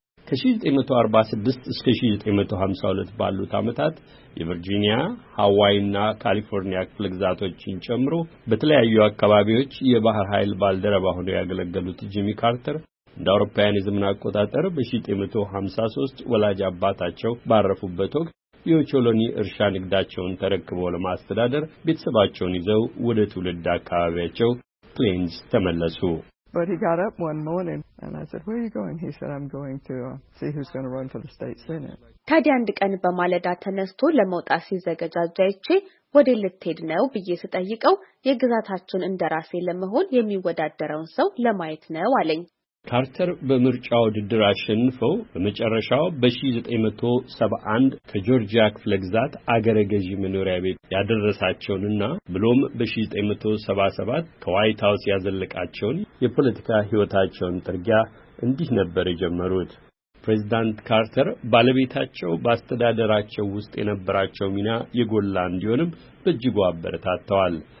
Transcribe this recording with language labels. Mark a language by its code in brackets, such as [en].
[am] ከ1946 እስከ 1952 ባሉት ዓመታት የቨርጂኒያ፣ ሃዋይ እና ካሊፎርኒያ ክፍለ ግዛቶችን ጨምሮ በተለያዩ አካባቢዎች የባህር ኃይል ባልደረባ ሆነው ያገለገሉት ጂሚ ካርተር እንደ አውሮፓውያን የዘመን አቆጣጠር በ1953 ወላጅ አባታቸው ባረፉበት ወቅት የኦቾሎኒ እርሻ ንግዳቸውን ተረክበው ለማስተዳደር ቤተሰባቸውን ይዘው ወደ ትውልድ አካባቢያቸው ፕሌንስ ተመለሱ። [en] But he got up one morning and I said, "Where are you going?" He said, "I'm going to see who's going to run for the state senate." [am] ታዲ አንድ ቀን በማለዳ ተነስቶ ለመውጣት ሲዘጋጃጃይቼ ወዴት ልትሄድ ነው ብዬ ስጠይቀው የግዛታችን እንደራሴ ለመሆን የሚወዳደረውን ሰው ለማየት ነው አለኝ። ካርተር በመርጫው ድድር አሸንፈው በመጨረሻው በ1971 ከጆርጂያ ክፍለ ግዛት አገረ ገዢ መኖሪያ ቤት ያደረሳቸውንና ብሎም በ1977 ከዋይት ሃውስ ያዘለቃቸውን የፖለቲካ ህይወታቸውን ጥርጊያ እንዲህ ነበር የጀመሩት። ፕሬዝዳንት ካርተር ባለቤታቸው ባስተዳደራቸው ውስጥ የነበራቸው ሚና የጎላ እንዲሆንም በእጅጉ አበረታተዋል።